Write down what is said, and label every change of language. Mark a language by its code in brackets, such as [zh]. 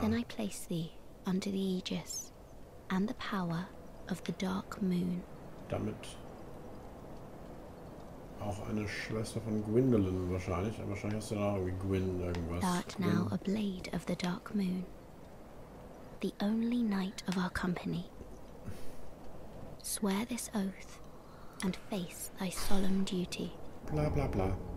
[en] Then I place thee under the aegis and the power of the Dark Moon. [de] Damit auch eine Schwester von Gwyndolin wahrscheinlich, aber wahrscheinlich hast du da irgendwie Gwyn irgendwas. [en] Thou art now a blade of the Dark Moon. The only knight of our company. Swear this oath and face thy solemn duty. Bla bla bla.